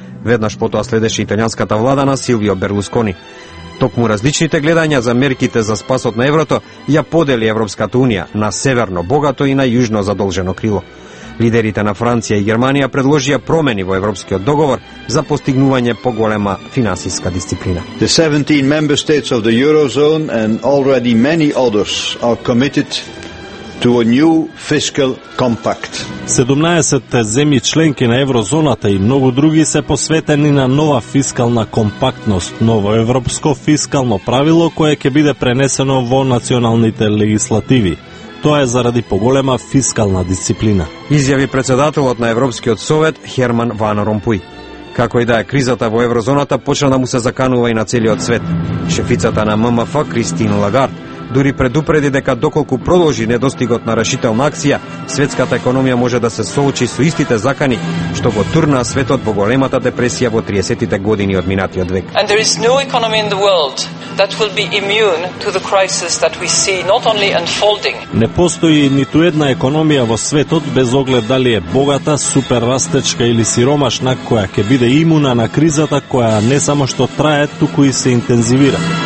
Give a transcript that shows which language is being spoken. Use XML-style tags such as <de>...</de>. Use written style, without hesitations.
<mk>Веднаш потоа следеше италијанската влада на Силвио Берлускони. Токму различните гледања за мерките за спасот на еврото ја подели Европската унија на северно богато и на јужно задолжено крило. Лидерите на Франција и Германија предложија промени во европскиот договор за постигнување поголема финансиска дисциплина.</mk> <en>The 17 member states of the Eurozone and already many others are committed to a new fiscal compact.</en> <mk>17 земји членки на еврозоната и многу други се посветени на нова фискална компактност, ново европско фискално правило кое ќе биде пренесено во националните легислативи. Тоа е заради поголема фискална дисциплина. Изјави председателот на Европскиот совет Херман Ван Ромпуј. Како и да е, кризата во еврозоната почна да му се заканува и на целиот свет. Шефицата на ММФ Кристин Лагард дури предупреди дека доколку продолжи недостигот на решителна акција, светската економија може да се соочи со истите закани што го турнаа светот во големата депресија во 30-тите години од минатиот век.</mk> <en>And there is no economy in the world that will be immune to the crisis that we see not only unfolding.</en> <mk>Не постои ниту една економија во светот без оглед дали е богата, суперрастечка или сиромашна која ќе биде имуна на кризата која не само што трае, туку и се интензивира.</mk>